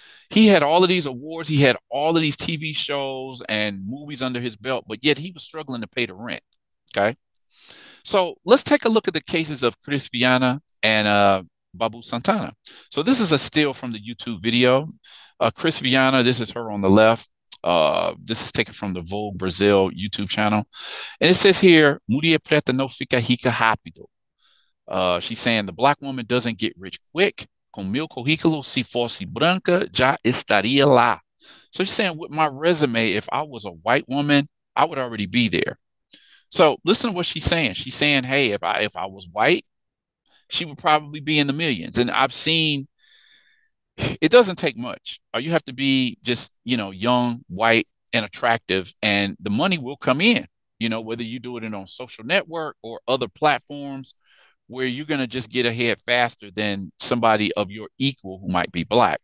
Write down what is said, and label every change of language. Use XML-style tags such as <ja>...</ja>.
<en>He had all of these awards, he had all of these TV shows and movies under his belt, but yet he was struggling to pay the rent. Okay. So let's take a look at the cases of Cris Vianna and Babu Santana. So this is a still from the YouTube video. Cris Vianna, this is her on the left. This is taken from the Vogue Brazil YouTube channel. And it says here,</en> <pt>Mulher preta não fica rica rápido.</pt> <en>She's saying the black woman doesn't get rich quick.</en> <pt>Com meu currículo, se fosse branca, já estaria lá.</pt> <en>So she's saying, with my resume, if I was a white woman, I would already be there. So listen to what she's saying. She's saying, hey, if I was white, she would probably be in the millions. And I've seen it doesn't take much. Or you have to be just, young, white, and attractive, and the money will come in, whether you do it on social network or other platforms where you're going to just get ahead faster than somebody of your equal who might be black.</en>